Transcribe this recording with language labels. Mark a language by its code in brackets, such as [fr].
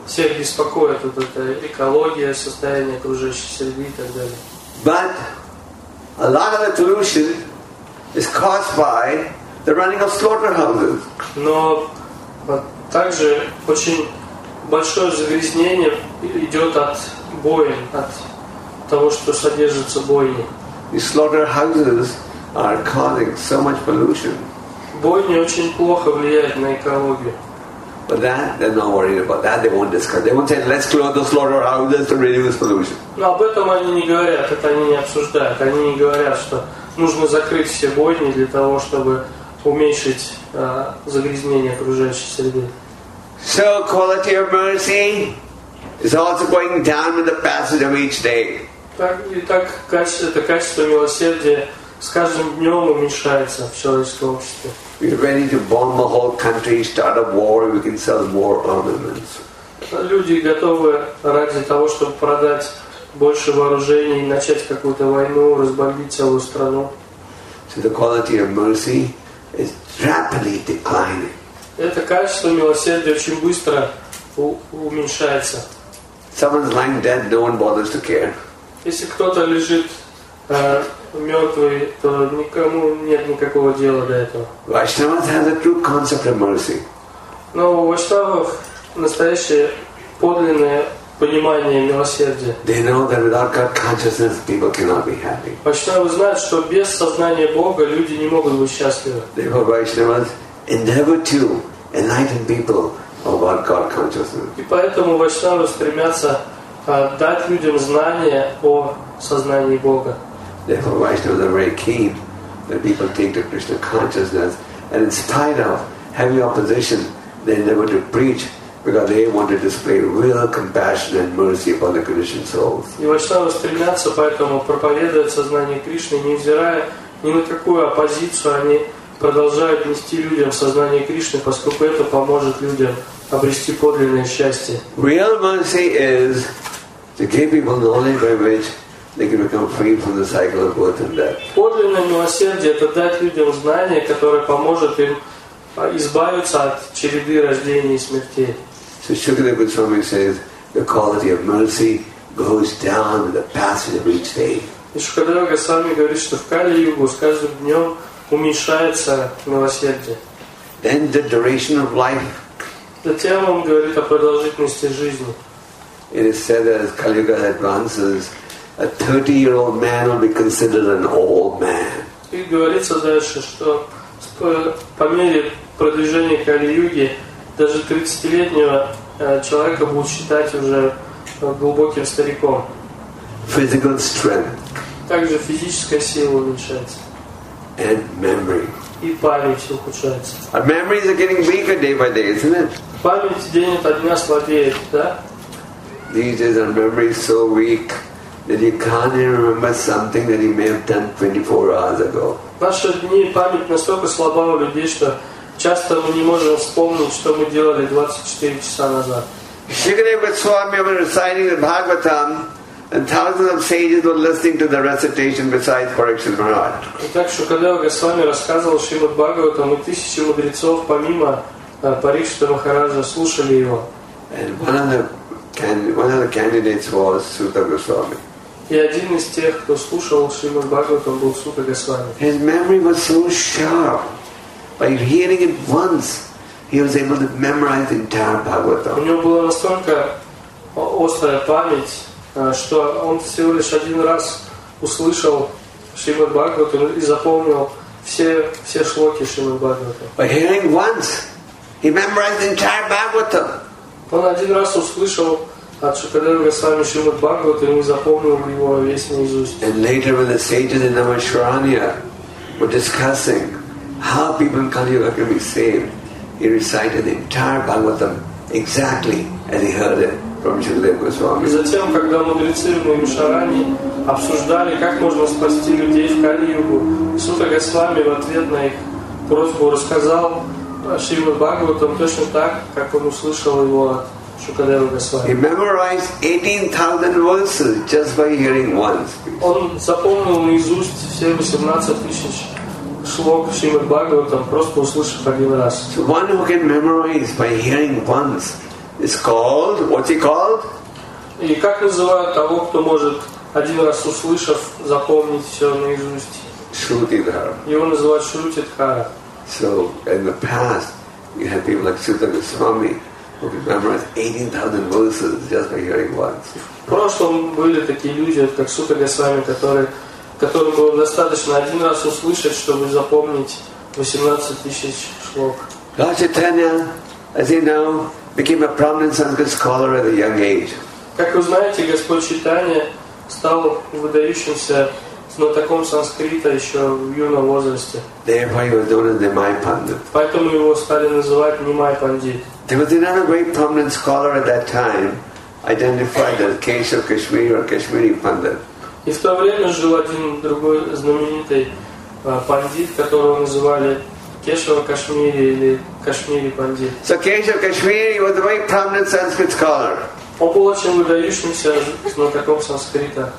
[ru] Всех беспокоит вот эта экология, состояние окружающей среды и так далее. [en] But a lot of the pollution is caused by the running of slaughterhouses. [ru] Но также очень большое загрязнение идет от боен, от того, что содержится бойни. [en] The slaughterhouses are causing so much pollution. [ru] Бойни очень плохо влияют на экологию. [en] But that they're not worried about. That they won't discuss. They won't say, let's close the slaughterhouses to reduce pollution. [ru] Но об этом они не говорят, это они не обсуждают. Они не говорят, что нужно закрыть все бойни для того, чтобы уменьшить загрязнение окружающей среды. [en] So quality of mercy is also going down with the passage of each day. [ru] Так это качество милосердия с каждым днем уменьшается в человеческом обществе. [en] We're ready to bomb the whole country, start a war, we can sell more armaments. [ru] Люди готовы ради того, чтобы продать больше вооружений и начать какую-то войну, разбомбить целую страну. [en] So the quality of mercy is rapidly declining. [ru] Это качество милосердия очень быстро уменьшается. [en] Someone's lying dead, no one bothers to care. [ru] Если кто-то лежит мертвый, то никому нет никакого дела до этого. [en] Vaishnavas has a true concept of mercy. [ru] Но у вайшнавов настоящее подлинное понимание милосердия. [en] They know that without God consciousness, people cannot be happy. [ru] Вайшнавы знают, что без сознания Бога люди не могут быть счастливы. [en] Therefore, Vaishnavas endeavor to enlighten people about God consciousness. [ru] И поэтому вайшнавы стремятся дать людям знания о сознании Бога. [en] Therefore, vaishnavas are very keen that people take to Krishna consciousness, and in spite of heavy opposition, they endeavor to preach because they want to display real compassion and mercy upon the conditioned souls. [ru] И вайшнавы стремятся поэтому проповедовать сознание Кришны, невзирая ни на какую оппозицию, они продолжают нести людям сознание Кришны, поскольку это поможет людям обрести подлинное счастье. [en] Real mercy is to give people knowledge by which they can become free from the cycle of birth and death. [ru] Подлинное милосердие — это дать людям знание, которое поможет им избавиться от череды рождения и смерти. [en] So Shukadeva Goswami says the quality of mercy goes down with the passage of each day. [ru] И Шукадева Госвами говорит, что в Кали-югу с каждым днем уменьшается милосердие. [en] Then the duration of life. [ru] Затем он говорит о продолжительности жизни. [en] It is said that as Kali-yuga advances, a 30-year-old man will be considered an old man. [ru] И говорится дальше, что по мере продвижения Кали-юги даже 30-летнего человека будут считать уже глубоким стариком. [en] Physical strength. [ru] Также физическая сила уменьшается. [en] And memory. Our memories are getting weaker day by day, isn't it? [ru] память день ото дня слабеет, да? [en] These days our memory is so weak that you can't even remember something that you may have done 24 hours ago. [ru] Наши дни память настолько слаба у людей, что часто мы не можем вспомнить, что мы делали 24 часа назад. [en] Shrikadeva Goswami was reciting the Bhagavatam, and thousands of sages were listening to the recitation beside Parikshit Maharaj. [ru] Итак, Шукадева Госвами рассказывал Шримад Бхагаватам, и тысячи мудрецов помимо Парикшита Махараджа слушали его. [en] And one of the candidates was Sutta Goswami. [ru] И один из тех, кто слушал Шримад Бхагаватам, был Сута Госвами. [en] His memory was so sharp. By hearing it once, he was able to memorize the entire Bhagavatam. [ru] У него была настолько острая память, что он всего лишь один раз услышал Шримад Бхагаватам и запомнил все шлоки Шримад Бхагаватам. [en] By hearing once, he memorized the entire Bhagavatam. [ru] Он один раз услышал от Шукадева Госвами Шримад Бхагаватам и запомнил его весь наизусть. [en] And later, when the sages in Navasharanya were discussing how people in Kali Yuga can be saved, he recited the entire Bhagavatam exactly as he heard it from Shukadeva Goswami. [ru] И затем, когда мудрецы в Навашарани обсуждали, как можно спасти людей в Кали Югу, Сута Госвами в ответ на их просьбу рассказал Шримад Бхагаватам точно так, как он услышал его от Шукадева Госвами. [en] He memorized 18,000 verses just by hearing once. [ru] Он запомнил наизусть все 18,000 шлок Шримад Бхагаватам, просто услышав один раз. [en] So one who can memorize by hearing once is called, what's he called? [ru] И как называют того, кто может один раз услышав, запомнить все наизусть? Шрутидхара. Его называют Шрутидхара. [en] So, in the past, you had people like Sutta Goswami who could memorize 18,000 verses just by hearing once. [ru] В прошлом были такие люди, как Сутта Госвами, которым было достаточно один раз услышать, чтобы запомнить 18,000 шлок. [en] Lord Chaitanya, as you know, became a prominent Sanskrit scholar at a young age. [ru] Как вы знаете, Господь Чайтанья стал выдающимся знатоком санскрита еще в юном возрасте. [en] Therefore, he was known as Nimai Pandit. [ru] Поэтому его стали называть Nimai Pandit. [en] There was another great prominent scholar at that time, identified as Kesha Kashmiri or Kashmiri Pandit. [ru] И в то время жил один другой знаменитый пандит, которого называли Кешава Кашмири или Кашмири пандит. [en] So Кешава Кашмири was a very prominent Sanskrit scholar. [ru] Он был очень выдающимся знатоком санскрита.